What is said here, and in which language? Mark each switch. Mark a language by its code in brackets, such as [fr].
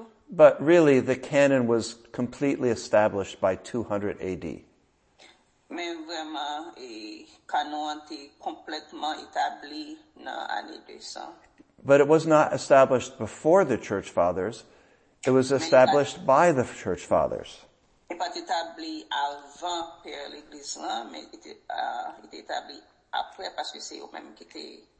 [en] But really, the canon was completely established by 200 AD. [fr] Mais vraiment, le canon était complètement établi dans l'année 200. [en] But it was not established before the Church Fathers. It was established by the Church Fathers. [fr] Il n'était pas établi avant Père l'Église, mais il était établi après parce que c'est eux-mêmes qui étaient.